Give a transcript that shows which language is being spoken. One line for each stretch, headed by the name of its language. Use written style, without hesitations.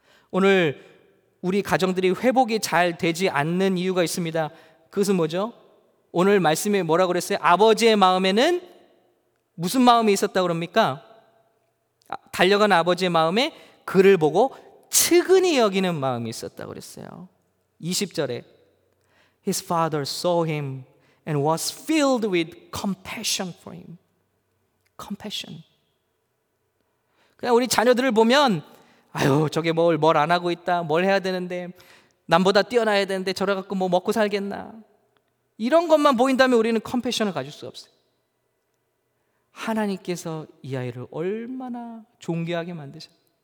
Korean: 오늘 우리 가정들이 회복이 잘 되지 않는 이유가 있습니다. 그것은 뭐죠? 오늘 말씀에 뭐라고 그랬어요? 아버지의 마음에는 무슨 마음이 있었다고 그럽니까? 달려간 아버지의 마음에 그를 보고 측은히 여기는 마음이 있었다고 그랬어요. 20절에
English: His father saw him and was filled with compassion for him. Compassion.
Korean: 그냥 우리 자녀들을 보면 아유 저게 뭘 안 하고 있다, 뭘 해야 되는데, 남보다 뛰어나야 되는데 저래 갖고 뭐 먹고 살겠나, 이런 것만 보인다면 우리는 컴패션을 가질 수 없어요. 하나님께서 이 아이를 얼마나 존귀하게 만드셨어요.